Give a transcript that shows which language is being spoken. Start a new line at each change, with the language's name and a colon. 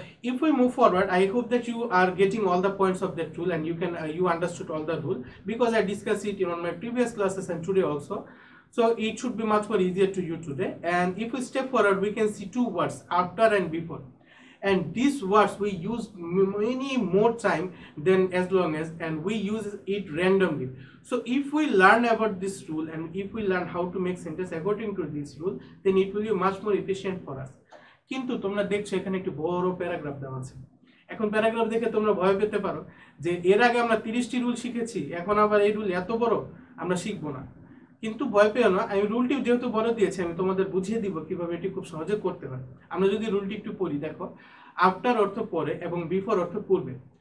English: If you move forward, I hope that you are getting all the points of that rule and you can you understood all the rule, because I discuss it in my previous classes and today also, so it should be much more easier to you today. And if you step forward we can see two words after and before, and these words we use many more time than as long as, and we use it randomly. So if we learn about this rule and if we learn how to make sentence according to this rule, then it will be much more efficient for us.
Bangla: কিন্তু তোমরা দেখছো এখানে একটি বড় paragraph দেওয়া আছে। এখন paragraph দেখে তোমরা ভয় পেতে পারো যে এর আগে আমরা 30টি রুল শিখেছি, এখন আবার এই রুল এত বড় আমরা শিখবো না। কিন্তু ভয় পেও না, আমি রুলটি যেহেতু বড় দিয়েছি আমি তোমাদের বুঝিয়ে দিব কিভাবে এটি খুব সহজে করতে পারো। আমরা যদি রুলটি একটু পড়ি, দেখো, আফটার অর্থ পরে এবং বিফোর অর্থ পূর্বে।